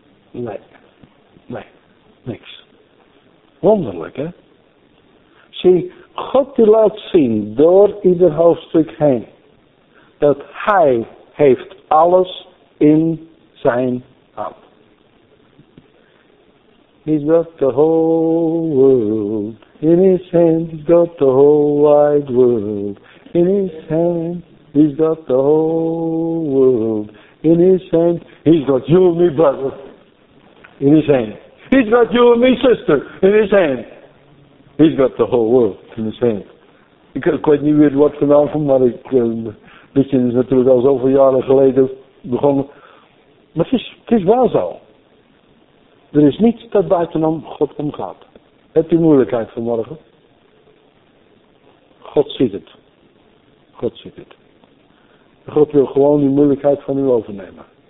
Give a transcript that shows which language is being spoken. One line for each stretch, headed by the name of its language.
Dutch: Nee. Nee. Niks. Wonderlijk, hè? Zie, God die laat zien door ieder hoofdstuk heen dat hij heeft alles in zijn hand.
English: He's got the whole world in his hand. He's got the whole wide world in his hand. He's got the whole world in his hand. He's got you and me, brother, in his hand. He's got you and me, sister, in his hand. He's got the whole world in his hand.
Dutch: Ik weet niet meer wat voor naam van, maar ik dit is natuurlijk al zoveel jaren geleden begonnen. Maar het is wel zo. Er is niets dat buitenom God omgaat. Heb je moeilijkheid vanmorgen? God ziet het. God ziet het. God wil gewoon die moeilijkheid van u overnemen.